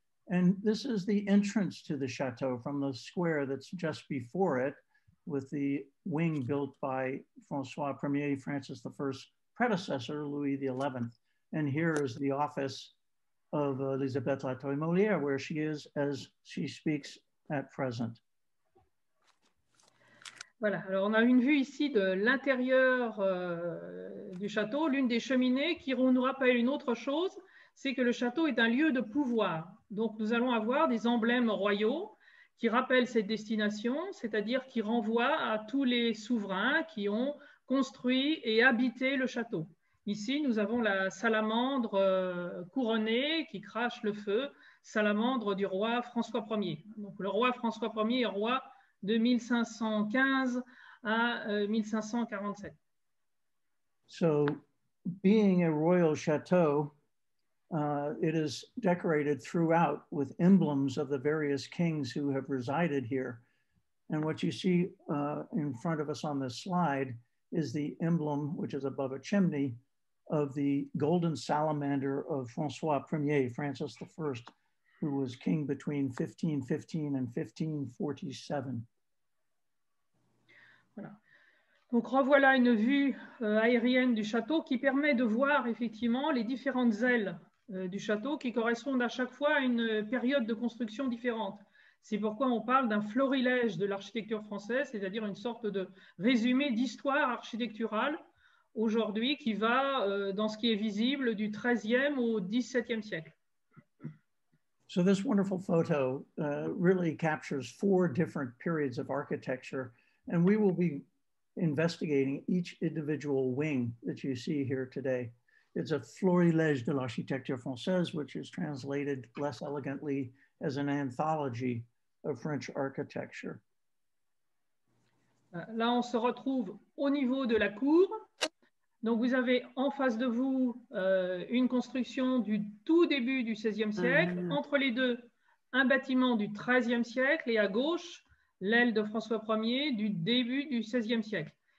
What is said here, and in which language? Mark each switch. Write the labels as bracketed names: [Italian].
[English] And this is the entrance to the château from the square that's just before it, with the wing built by François Ier, Francis I's predecessor, Louis XI. And here is the office of Elisabeth Latoy-Molière, where she is as she speaks at present. [French] Voilà, alors on a une vue ici de l'intérieur du château, l'une des cheminées qui nous rappelle une autre chose, c'est que le château est un lieu de pouvoir. Donc nous allons avoir des emblèmes royaux qui rappellent cette destination, c'est-à-dire qui renvoient à tous les souverains qui ont construit et habité le château. Ici, nous avons la salamandre couronnée qui crache le feu, salamandre du roi François Ier. Donc le roi François Ier est roi de 1515 à 1547. [English] So, being a royal château, it is decorated throughout with emblems of the various kings who have resided here. And what you see in front of us on this slide is the emblem, which is above a chimney, of the golden salamander of François Ier, Francis I, who was king between 1515 and 1547. [French] Voilà. Donc revoilà une vue aérienne du château qui permet de voir effectivement les différentes ailes du château qui correspondent à chaque fois à une période de construction différente. C'est pourquoi on parle d'un florilège de l'architecture française, c'est-à-dire une sorte de résumé d'histoire architecturale aujourd'hui qui va dans ce qui est visible du XIIIe au XVIIe siècle. [English] So this wonderful photo really captures four different periods of architecture. And we will be investigating each individual wing that you see here today. It's a [French] florilège de l'architecture française, [English] which is translated less elegantly as an anthology of French architecture. [French] Là, on se retrouve au niveau de la cour. Donc, vous avez en face de vous une construction du tout début du XVIe siècle. Entre les deux, un bâtiment du XIIIe siècle et à gauche, l'aile de François Ier du début du XVIe siècle.